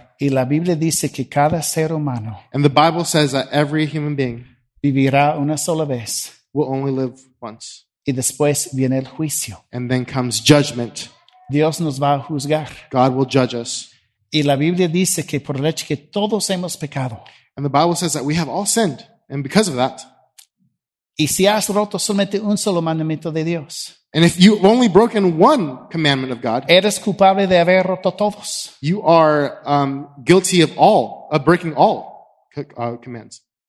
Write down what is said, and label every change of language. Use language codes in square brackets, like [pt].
[es] Y la Biblia dice que cada ser humano, [en] and the Bible says that every human being [es] vivirá una sola vez, [en] will only live once. [es] Y después viene el juicio. [en] And then comes judgment. [es] Dios nos va a juzgar. [en] God will judge us. [es] Y la Biblia dice que por el hecho que todos hemos pecado, [en] and the Bible says that we have all sinned. And because of that, [es] y si has roto solamente un solo mandamiento de Dios, [en] and if you've only broken one commandment of God, [es] eres culpable de haber roto todos. [en] You are guilty of all, of breaking all commands.